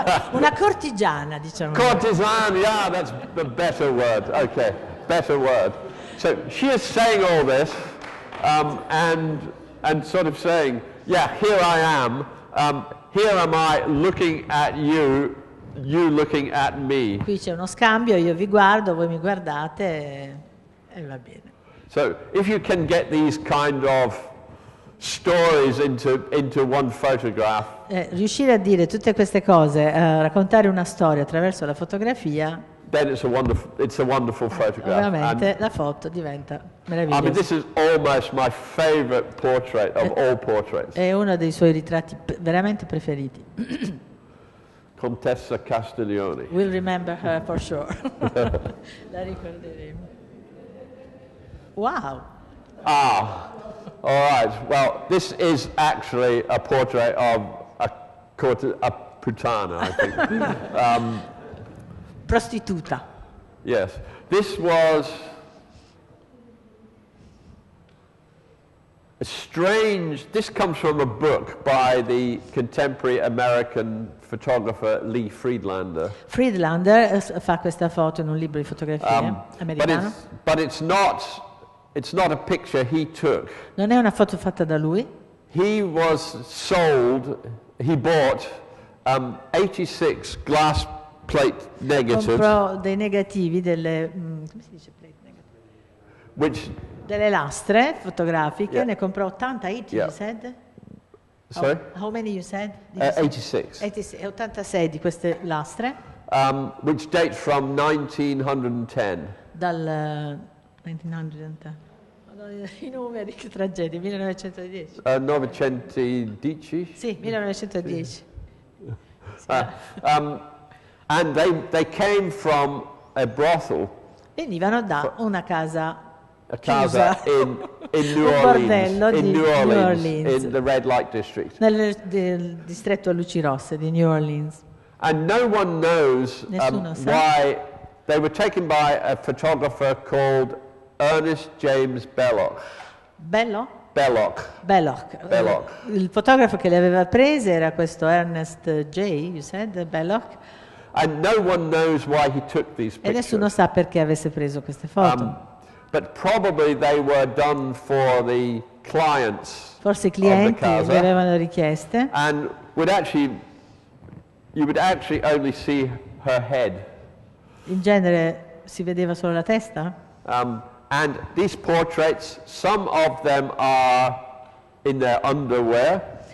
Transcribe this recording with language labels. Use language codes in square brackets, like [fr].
[it] Una cortigiana, diciamo. [en] Courtesan, yeah, that's the better word. Okay, better word. So she is saying all this, and sort of saying, yeah, here I am. Here am I looking at you. You looking at me. [it] Qui c'è uno scambio, io vi guardo, voi mi guardate e va bene. [en] So, if you can get these kind of stories into one photograph. [it] Riuscire a dire tutte queste cose, raccontare una storia attraverso la fotografia. [en] Then it's a wonderful photograph. [it] Ovviamente la foto diventa meravigliosa. [en] I mean, this is almost my favorite portrait of all portraits. [it] È uno dei suoi ritratti veramente preferiti. [en] Contessa Castiglione. We'll remember her for sure. [it] La ricorderemo. [en] Wow. Ah, all right. Well, this is actually a portrait of a puttana, I think. [it] Prostituta. [en] Yes. This was strange, this comes from a book by the contemporary American photographer Lee Friedlander. [it] Friedlander fa questa foto in un libro di fotografia americano. [en] But it's not a picture he took. [it] Non è una foto fatta da lui. [en] He bought 86 glass plate negatives. [it] Comprò dei negativi delle come si dice plate negative? [en] Which [it] delle lastre fotografiche, yeah. Ne comprò 80, 80, yeah. [en] You said? Sorry? How many you said? 86. [it] 86 di queste lastre. [en] Which dates from 1910. [it] Dal 1910. I numeri, che tragedia, 1910. 1910? Sì, 1910. [en] And they came from a brothel. [it] Venivano da una casa. [en] A casa in New Orleans, in the red light district. [it] Nel distretto a luci rosse di New Orleans. [en] And no one knows why they were taken by a photographer called Ernest James Belloc. Belloc. [it] Il fotografo che le aveva prese era questo Ernest J. [en] You said Belloc. And no one knows why he took these pictures. [it] E nessuno sa perché avesse preso queste foto. [en] But probably they were done for the clients. [it] Forse i clienti le avevano richieste. [en] And you would actually only see her head. [it] In genere si vedeva solo la testa. [en] And these portraits, some of them are in their underwear.